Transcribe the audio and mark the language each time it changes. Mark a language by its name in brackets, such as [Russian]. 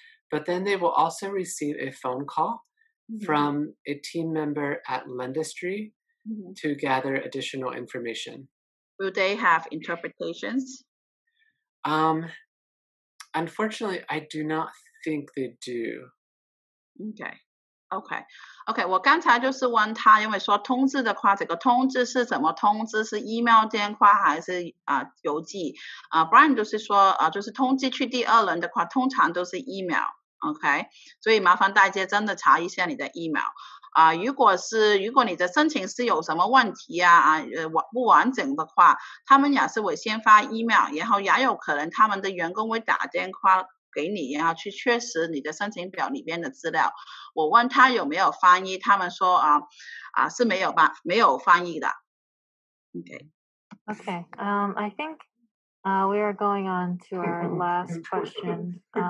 [English] But then they will also receive a phone call from a team member at Lendistry to gather additional information. Will they have interpretations? Unfortunately, I do not think they do. Okay. [Chinese] 我刚才就是问他，因为说通知的话，这个通知是怎么通知？是 email 电话还是邮寄？Brian 就是说就是通知去第二轮的话，通常都是 email. Okay, 所以麻烦大家真的查一下你的 email. 如果你的申请是有什么问题啊不完整的话，他们也是会先发 email， 然后也有可能他们的员工会打电话给你，然后去确实你的申请表里边的资料。我问他有没有翻译，他们说是没有翻译的。 [English] Okay. I think we are going on to our last question.